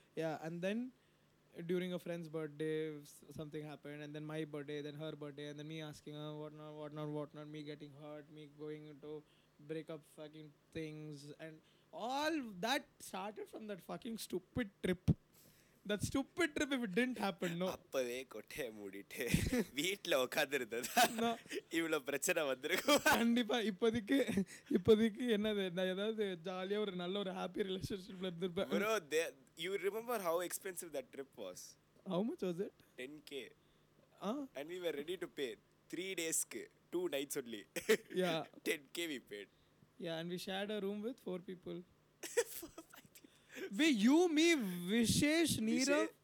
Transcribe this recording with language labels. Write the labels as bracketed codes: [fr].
[en] Yeah, and then during a friend's birthday, something happened, and then my birthday, then her birthday, and then me asking her what not, me getting hurt, me going into breakup fucking things, and all that started from that fucking stupid trip. That stupid trip, if it didn't happen, no. [ta] அப்பவே கொட்டையை மூடிட்டு வீட்டில் உட்காந்துருந்ததா இவ்வளோ பிரச்சனை வந்திருக்கும். கண்டிப்பாக இப்போதைக்கு என்னது, நான் ஏதாவது ஜாலியாக ஒரு நல்ல ஒரு ஹாப்பி ரிலேஷன்ஷிப்பில் இருந்திருப்பேன். [en] Bro, you remember how expensive that trip was? How much was it? 10K. And we were ready to pay 3 days, 2 nights only. Yeah. 10K we paid. Yeah, and we shared a room with 4 people. Wait, you, me, Vishesh, Neerav.